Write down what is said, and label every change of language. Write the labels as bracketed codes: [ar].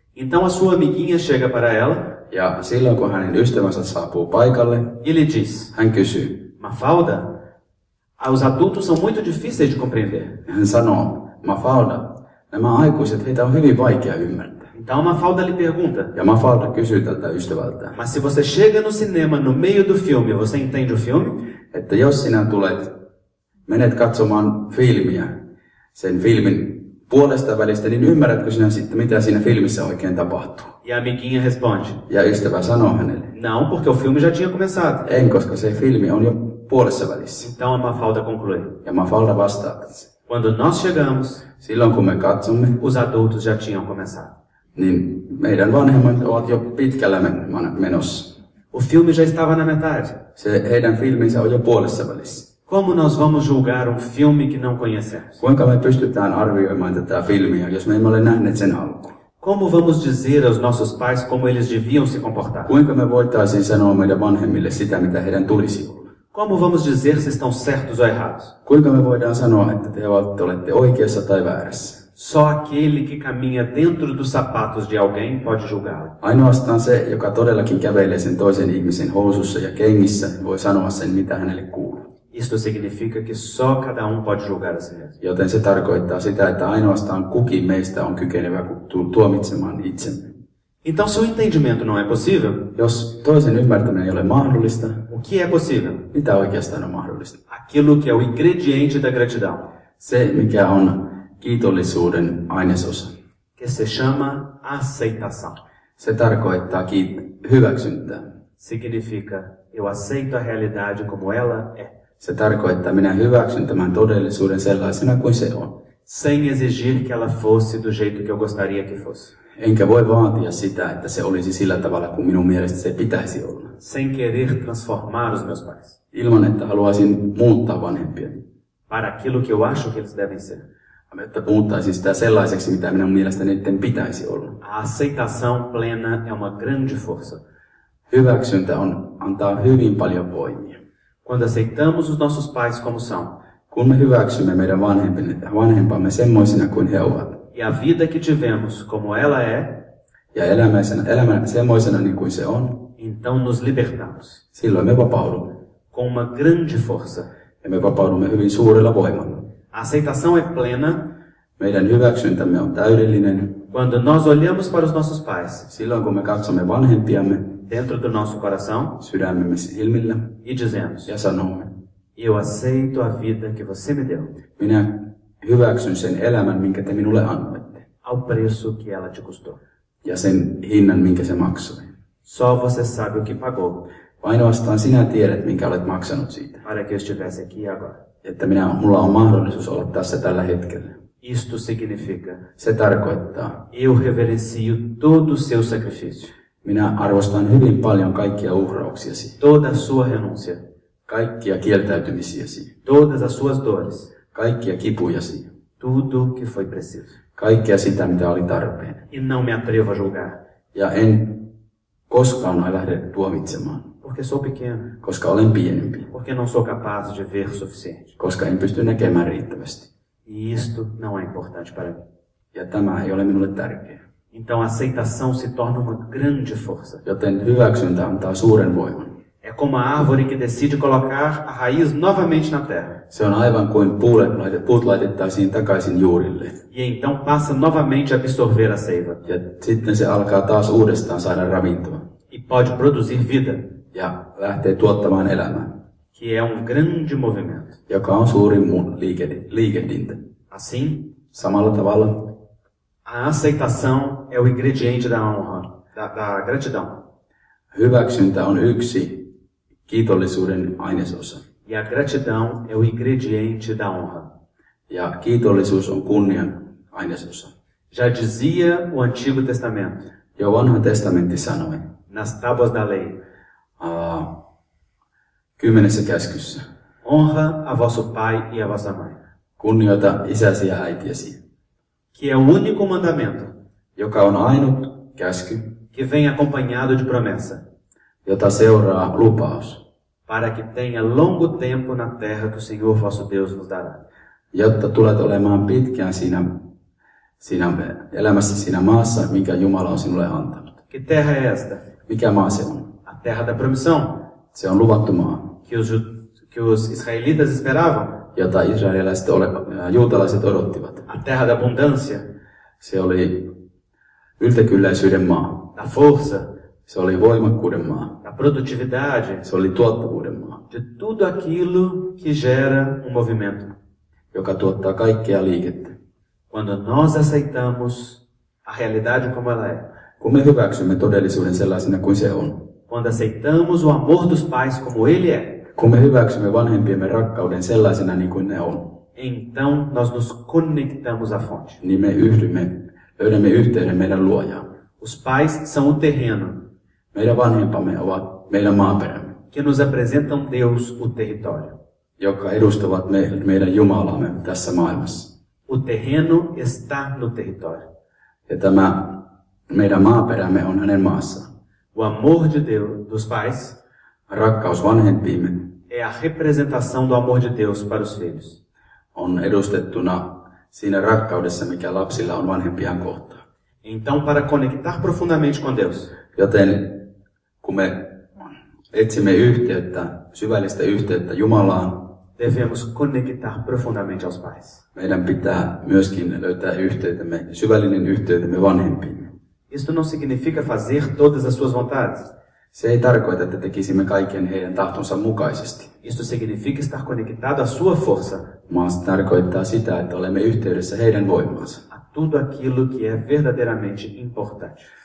[pt] Então a sua amiguinha chega para ela. [fi] Ja silloin, kun hänen ystävänsä saapuu paikalle, [pt] ele diz, [fi] hän kysyy. [pt] Mafalda, os adultos são muito difíceis de compreender. [fi] Hän sanoo, Mafalda, nämä aikuiset, heitä on hyvin vaikea ymmärtää. [pt] Então Mafalda lhe pergunta. [fi] Ja Mafalda kysyy tältä ystävältä. [pt] Mas se você chega no cinema no meio do filme, você entende o filme? [fi] Että jos sinä tulet, menet katsomaan filmiä, sen filmin puolesta välistä, niin ymmärrätkö sinä sitten, mitä siinä filmissä oikein tapahtuu? [pt] E amiguinha responde. [fi] Ja ystävä sanoo hänelle. [pt] Não, porque o filme já tinha começado. [fi] En, koska se filmi on jo puolessa välissä. [pt] Então Mafalda conclui. [fi] Ja Mafalda vastaa. [pt] Quando nós chegamos, [fi] silloin kun me katsomme, [pt] os adultos já tinham começado. [fi] Niin meidän vanhemmat ovat jo pitkällä menossa. [pt] O filme já estava na metade. [fi] Se heidän filminsä on jo puolessa välissä. [pt] Como nós vamos julgar um filme que não conhecemos? [fi] Kuinka me pystytään arvioimaan tätä filmiä, jos me emme ole nähneet sen alkuun? [pt] Como vamos dizer aos nossos pais como eles deviam se comportar? [fi] Kuinka me voitaisiin sanoa meidän vanhemmille sitä, mitä heidän tulisi olla? [pt] Como vamos dizer se estão certos ou errados? [fi] Kuinka me voidaan sanoa, että te olette oikeassa tai väärässä? [pt] Só aquele que caminha dentro dos sapatos de alguém pode julgá-lo. [fi] Ainoastaan se, joka todellakin kävelee sen toisen ihmisen housussa ja kengissä, voi sanoa sen, mitä hänelle kuuluu. [pt] Isto significa que só cada pode julgar a si mesmo. [fi] Joten se tarkoittaa sitä, että ainoastaan kukin meistä on kykenevä tuomitsemaan itsemme. [pt] Então se o entendimento não é possível, [fi] jos toisen ymmärtäminen ei ole mahdollista, [pt] o que é possível? [fi] Mitä oikeastaan on mahdollista? [pt] Aquilo que é o ingrediente da gratidão. [fi] Se, mikä on kiitollisuuden ainesosa. [pt] Que se chama aceitação. [fi] Se tarkoittaa hyväksyntää. [pt] Significa eu aceito a realidade como ela é. [fi] Se tarkoittaa minä hyväksyn tämän todellisuuden sellaisena kuin se on. [pt] Sem exigir que ela fosse do jeito que eu gostaria que fosse. [fi] Enkä voi vaatia sitä, että se olisi sillä tavalla kuin minun mielestä se pitäisi olla. [pt] sem querer transformar os meus pais. [fi] Ilman, että haluaisin muuttaa vanhempiani. [pt] Para aquilo que eu acho que eles devem ser. [fi] Että muuttaisin sitä sellaiseksi, mitä minun mielestäni niiden pitäisi olla. [pt] A aceitação plena é uma grande força. [fi] Hyväksyntä on antaa hyvin paljon voimia. [pt] Quando aceitamos os nossos pais como são. [fi] Kun me hyväksymme meidän vanhempamme semmoisina kuin he ovat. [pt] E a vida que tivemos como ela é. [fi] Ja elämän semmoisena niin kuin se on. [pt] Então nos libertamos. [fi] Silloin me vapaudumme. [pt] Com uma grande força. [fi] Ja me vapaudumme hyvin suurella voimalla. [pt] A aceitação é plena. [fi] Meidän hyväksyntämme on täydellinen. [pt] Quando nós olhamos para os nossos pais. [fi] Silloin kun me katsomme vanhempiamme. [pt] Dentro do nosso coração. [fi] Sydämemme silmillä. [pt] E dizemos. [fi] Ja sanomme. [pt] Eu aceito a vida que você me deu. [fi] Minä hyväksyn sen elämän, minkä te minulle annoitte. [pt] Ao preço que ela te custou. [fi] Ja sen hinnan, minkä se maksoi. [pt] Só você sabe o que pagou. [fi] Ainoastaan sinä tiedät, minkä olet maksanut siitä. [pt] Para que eu estivesse aqui agora. [fi] Että mulla on mahdollisuus olla tässä tällä hetkellä. [pt] Isto significa. [fi] Se tarkoittaa. [pt] Eu reverencio todo o seu sacrifício. [fi] Minä arvostan hyvin paljon kaikkia uhrauksiasi. [pt] Toda sua renúncia. [fi] Kaikkia kieltäytymisiäsi. [pt] Todas as suas dores. [fi] Kaikkia kipujasi. [pt] Tudo que foi preciso. [fi] Kaikkia sitä, mitä oli tarpeen. [pt] E não me atrevo a julgar. [fi] Ja en koskaan lähde tuomitsemaan. [pt] Porque sou pequeno. [fi] Koska olen pienempi. [pt] Porque não sou capaz de ver o suficiente. [fi] Koska en pysty näkemään riittävästi. [pt] E isto não é importante para mim. [fi] Ja tämä ei ole minulle tärkeä. [pt] Então a aceitação se torna uma grande força. [fi] Joten hyväksyntä antaa suuren voiman. [pt] É como a árvore que decide colocar a raiz novamente na terra. [fi] Se on aivan kuin puut laitettaisiin takaisin juurille. [pt] E então passa novamente a absorver a seiva. [fi] Ja sitten se alkaa taas uudestaan saada ravintoa. [pt] E pode produzir vida. [fi] Ja lähtee tuottamaan elämää. [pt] Que é um grande movimento. [fi] Joka on suuri liikehdintä. [pt] Assim. [fi] Samalla tavalla. [pt] A aceitação é o ingrediente da honra, da gratidão. [fi] Hyväksyntä on yksi kiitollisuuden ainesosa. [pt] E a gratidão é o ingrediente da honra. [fi] Ja kiitollisuus on kunnian ainesosa. [pt] Já dizia o Antigo Testamento. [fi] Jo Vanha Testamentti sanoi. [pt] Nas tábuas da lei. [fi] Kymmenessä käskyssä. [pt] Honra a vosso pai e a vossa mãe. [fi] Kunnioita isäsi ja äitiäsi. [pt] Que é o único mandamento. [fi] Joka on ainut käsky. [pt] Que vem acompanhado de promessa. [fi] Jota seuraa lupaus. [pt] Para que tenha longo tempo na terra que o Senhor vosso Deus vos dará. [fi] Jotta tulet olemaan pitkään siinä elämässä siinä maassa, minkä Jumala on sinulle antanut. [pt] Que terra é esta? [fi] Mikä maa se on? [pt] A terra da promissão. [fi] Se on luvattu maa. [pt] Que os israelitas esperavam. [fi] Jota israelilaiset juutalaiset odottivat. [pt] A terra da abundância. [fi] Se oli yltäkylläisyyden maa. [pt] Da força. [fi] Se oli voimakkuuden maa. [pt] Da produtividade. [fi] Se oli tuottavuuden maa. [pt] De tudo aquilo que gera um movimento. [fi] Joka tuottaa kaikkea liikettä. [pt] Quando nós aceitamos a realidade como ela é. [fi] Kun me hyväksymme todellisuuden sellaisena kuin se on. [pt] Quando aceitamos o amor dos pais como ele é. [fi] Kun me hyväksymme vanhempiemme rakkauden sellaisena niin kuin ne on. [pt] Então nós nos conectamos à fonte. [fi] Niin me löydämme yhteyden meidän luojaan. [pt] Os pais são o terreno. [fi] Meidän vanhempamme ovat meidän maaperämme. [pt] Que nos apresentam Deus o território. [fi] Jotka edustavat meidän Jumalamme tässä maailmassa. [pt] O terreno está no território. [fi] Ja tämä meidän maaperämme on hänen maassa. [pt] O amor de Deus dos pais. [fi] Rakkaus vanhempiimme. [pt] É a representação do amor de Deus para os filhos. [fi] On edustettuna siinä rakkaudessa, mikä lapsilla on vanhempiaan kohtaan. [pt] Então, para conectar profundamente com Deus. [fi] Joten, kun me etsimme yhteyttä, syvällistä yhteyttä Jumalaan, [pt] devemos conectar profundamente aos pais. [fi] Meidän pitää myöskin löytää yhteytemme, syvällinen yhteytemme vanhempiin. [pt] Isto não significa fazer todas as suas vontades. [fi] Se ei tarkoita, että tekisimme kaiken heidän tahtonsa mukaisesti. [pt] Isto significa estar conectado à sua força. [fi] Mas tarkoittaa sitä, että olemme yhteydessä heidän voimaansa. [pt] A tudo aquilo que é verdadeiramente importante.